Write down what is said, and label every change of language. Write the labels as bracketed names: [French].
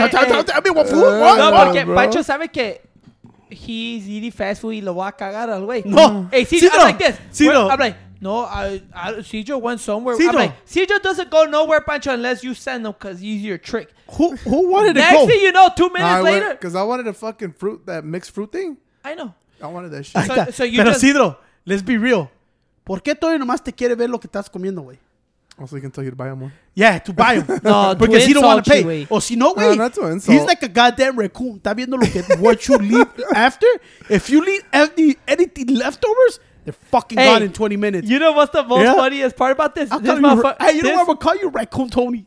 [Spanish] No, porque Pancho sabe que [English] he's eating fast food [Spanish] y lo va a cagar al güey. No. [English] Hey, Cidro, I'm like this. Cidro. I'm like, no, I Cidro went somewhere. Cidro. I'm like, Cidro doesn't go nowhere, Pancho, unless you send him because he's your trick. Who wanted to next go? Next thing you know, 2 minutes later. Because I wanted a fucking fruit, that mixed fruit thing. I know. I wanted that shit. So you pero just, Cidro, let's be real. [Spanish] ¿Por qué todavía nomás te quiere ver lo que estás comiendo, güey? [English] Also, he can tell you to buy him one. Yeah, to buy him. No, because he don't want to pay. [Spanish] Wey. Or si no, güey. [English] No, not to insult. He's like a goddamn raccoon. [Spanish] Está viendo lo que, [English] what you leave after. If you leave anything leftovers, they're fucking gone in 20 minutes. You know what's the most funniest part about this? You know what? I'm going to call you Raccoon Tony.